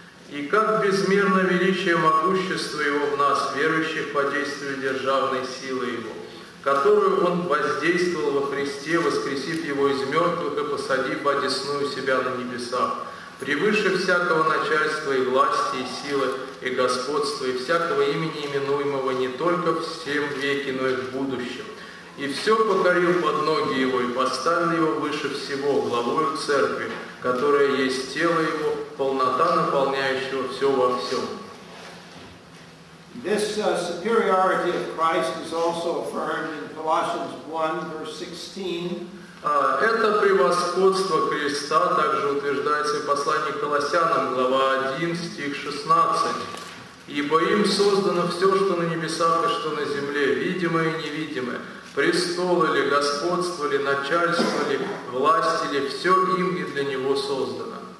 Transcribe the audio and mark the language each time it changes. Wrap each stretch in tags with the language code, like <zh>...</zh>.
<ru>И как безмерно величие могущества его в нас, верующих по действию державной силы его, которую Он воздействовал во Христе, воскресив Его из мертвых и посадив одесную Себя на небесах, превыше всякого начальства и власти, и силы, и господства, и всякого имени именуемого не только в сем веке, но и в будущем. И все покорил под ноги Его и поставил Его выше всего, главою Церкви, которая есть тело Его, полнота наполняющего все во всем.</ru> <en>This superiority of Christ is also affirmed in Colossians 1, verse 16.</en> <ru>Это превосходство Христа также утверждается в послании к Колоссянам, глава 1, стих 16. Ибо им создано все, что на небесах и что на земле, видимое и невидимое, престолы ли, господство ли, начальство ли, власть ли, все им и для него создано.</ru>